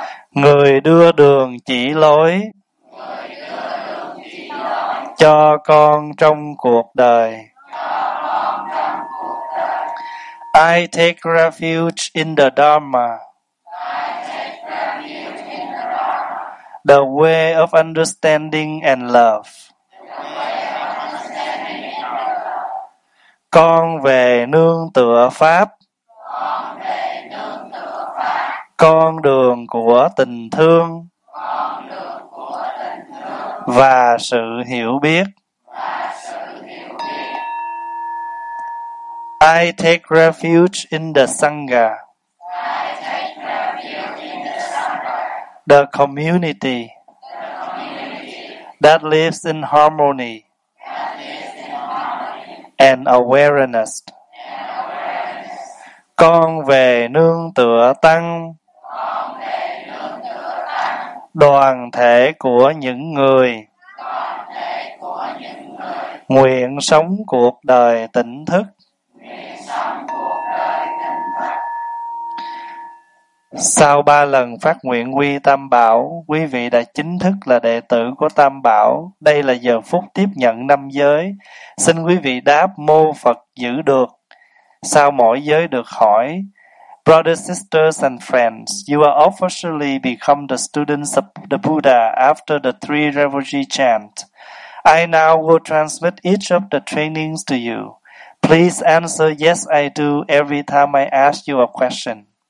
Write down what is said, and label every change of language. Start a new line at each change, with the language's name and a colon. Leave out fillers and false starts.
Vietnamese: Người đưa đường chỉ lối cho con trong cuộc đời.
English: I take refuge in the Dharma. The way of understanding and love.
Vietnamese: Con về nương tựa Pháp. Con đường của tình thương và sự hiểu biết. I take refuge in the Sangha. The community that lives in harmony and awareness. Con về nương tựa Tăng. Đoàn thể của những người nguyện sống cuộc đời tỉnh thức. Sau 3 lần phát nguyện quy Tam Bảo, quý vị đã chính thức là đệ tử của Tam Bảo. Đây là giờ phút tiếp nhận năm giới. Xin quý vị đáp mô Phật giữ được. Sau mỗi giới được hỏi,
English: Brothers, sisters, and friends, you will officially become the students of the Buddha after the three refuge chant. I now will transmit each of the trainings to you. Please answer yes, I do every time I ask you a question.